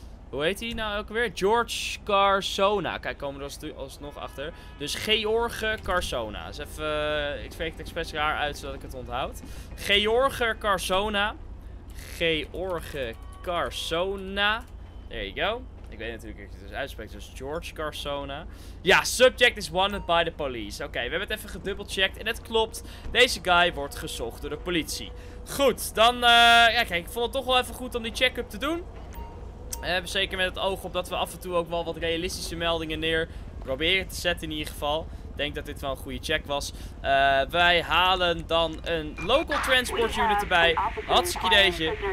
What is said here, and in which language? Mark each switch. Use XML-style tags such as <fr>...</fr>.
<nl>Hoe heet hij nou ook weer? George Carsona. Kijk, komen we er alsnog achter. Dus George Carsona. Dus even, ik spreek het expres raar uit, zodat ik het onthoud. George Carsona. George Carsona.</nl> <en>There you go.</en> <nl>Ik weet natuurlijk dat je het dus uitspreekt. Dus George Carsona.</nl> <en>Ja, subject is wanted by the police.</en> <nl>Oké, we hebben het even gedubbelcheckt. En het klopt. Deze guy wordt gezocht door de politie. Goed, dan... ja, kijk, ik vond het toch wel even goed om die check-up te doen. Zeker met het oog op dat we af en toe ook wel wat realistische meldingen neer proberen te zetten in ieder geval. Ik denk dat dit wel een goede check was. Wij halen dan een local transport unit erbij. Hartstikke ideetje.</nl>